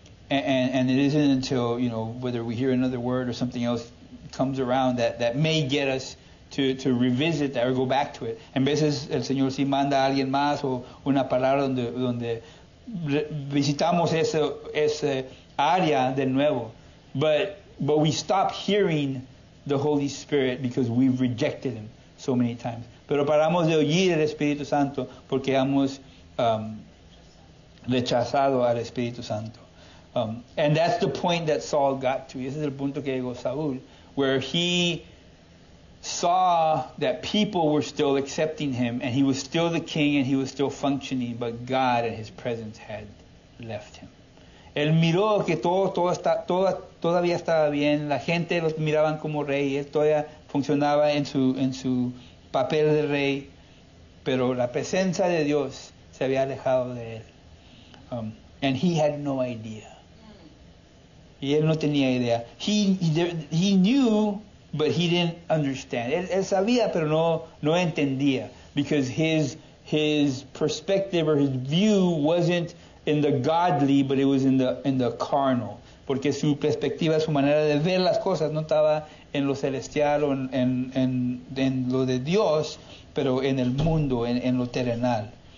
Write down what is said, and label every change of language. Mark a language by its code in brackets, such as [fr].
[en] And it isn't until, you know, whether we hear another word or something else comes around that may get us to revisit that or go back to it. [es] En veces el Señor sí manda a alguien más o una palabra donde visitamos ese área de nuevo. [en] But we stop hearing the Holy Spirit because we've rejected him so many times. [es] Pero paramos de oír el Espíritu Santo porque hemos rechazado al Espíritu Santo. [en] And that's the point that Saul got to. [es] Ese es el punto que llegó Saúl, [en] where he saw that people were still accepting him, and he was still the king, and he was still functioning, but God and his presence had left him. [es] Él miró que todavía estaba bien, la gente lo miraban como rey, él todavía funcionaba en su papel de rey, pero la presencia de Dios se había alejado de él. [en] And he had no idea. [es] Y él no tenía idea. [en] He knew, but he didn't understand. [es] Él sabía, pero no entendía. [en] Because his perspective or his view wasn't in the godly, but it was in the carnal. [es] porque su perspectiva, su manera de ver las cosas no estaba en lo celestial o en lo de Dios, pero en el mundo, en lo terrenal.